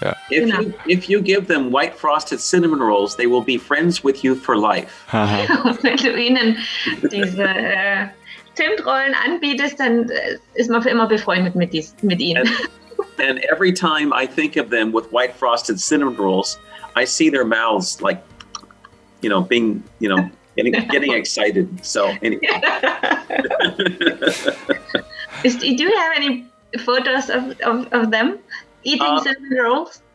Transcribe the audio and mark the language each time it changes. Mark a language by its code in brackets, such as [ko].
[en] If you give them white frosted cinnamon rolls, they will be friends with you for life. [de] Wenn du ihnen diese Zimtrollen anbietest, dann ist man für immer befreundet mit ihnen. [en] And every time I think of them with white frosted cinnamon rolls, I see their mouths like, you know, being, you know, getting excited. So anyway. Do you have any photos of them eating cinnamon rolls?